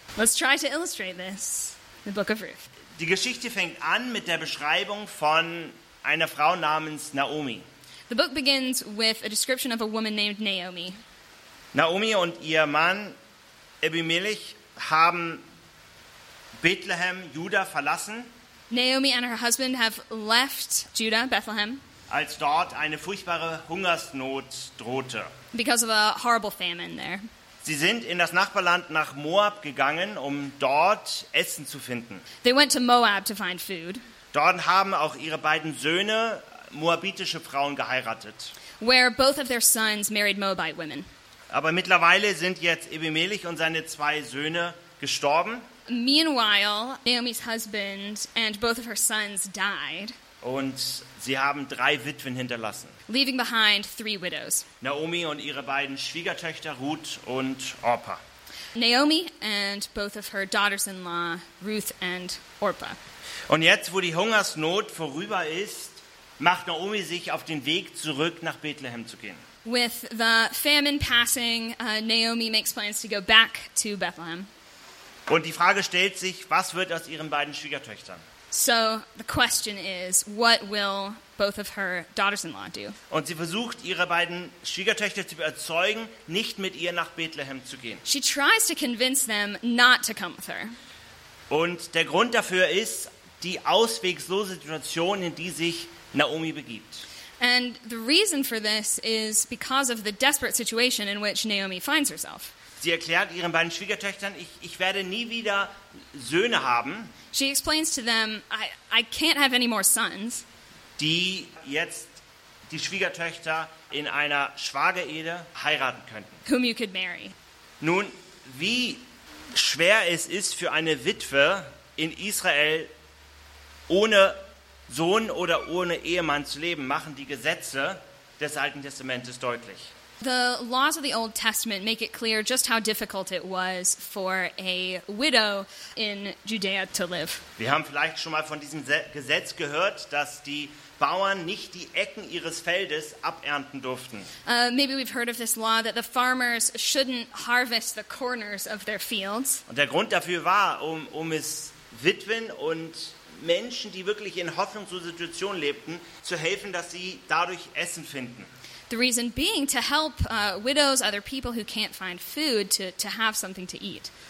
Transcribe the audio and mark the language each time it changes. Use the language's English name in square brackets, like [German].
[English] Let's try to illustrate this, the book of Ruth. [German] Die Geschichte fängt an mit der Beschreibung von einer Frau namens Naomi. [English] The book begins with a description of a woman named Naomi. [German] Naomi und ihr Mann Abimelech haben Bethlehem, Juda verlassen. [English] Naomi and her husband have left Judah, Bethlehem. [German] Als dort eine furchtbare Hungersnot drohte. [English] Because of a horrible famine there. [German] Sie sind in das Nachbarland nach Moab gegangen, um dort Essen zu finden. [English] They went to Moab to find food. [German] Dort haben auch ihre beiden Söhne moabitische Frauen geheiratet. [English] Where both of their sons married Moabite women. [German] Aber mittlerweile sind jetzt Abimelech und seine zwei Söhne gestorben. [English] Meanwhile, Naomi's husband and both of her sons died. [German] Und sie haben drei Witwen hinterlassen. [English] Leaving behind three widows. [German] Naomi und ihre beiden Schwiegertöchter Ruth und Orpa. [English] Naomi and both of her daughters-in-law Ruth and Orpa. [German] Und jetzt, wo die Hungersnot vorüber ist, macht Naomi sich auf den Weg zurück nach Bethlehem zu gehen. [English] With the famine passing, Naomi makes plans to go back to Bethlehem. [German] Und die Frage stellt sich, was wird aus ihren beiden Schwiegertöchtern? [English] So the question is, what will both of her daughters-in-law do? [German] Und sie versucht, ihre beiden Schwiegertöchter zu überzeugen, nicht mit ihr nach Bethlehem zu gehen. [English] She tries to convince them not to come with her. [German] Und der Grund dafür ist die ausweglose Situation, in die sich Naomi begibt. [English] And the reason for this is because of the desperate situation in which Naomi finds herself. [German] Sie erklärt ihren beiden Schwiegertöchtern, ich werde nie wieder Söhne haben. [English] She explains to them, I can't have any more sons. [German] Die jetzt die Schwiegertöchter in einer Schwagerehe heiraten könnten. [English] Whom you could marry. [German] Nun, wie schwer es ist für eine Witwe in Israel ohne Sohn oder ohne Ehemann zu leben, machen die Gesetze des Alten Testamentes deutlich. [English] The laws of the Old Testament make it clear just how difficult it was for a widow in Judea to live. [German] Wir haben vielleicht schon mal von diesem Gesetz gehört, dass die Bauern nicht die Ecken ihres Feldes abernten durften. [English] Maybe we've heard of this law that the farmers shouldn't harvest the corners of their fields. [German] Und der Grund dafür war, um es Witwen und Menschen, die wirklich in hoffnungslosen Situationen lebten, zu helfen, dass sie dadurch Essen finden. [English] The reason being to help widows, other people who can't find food, to have something to eat.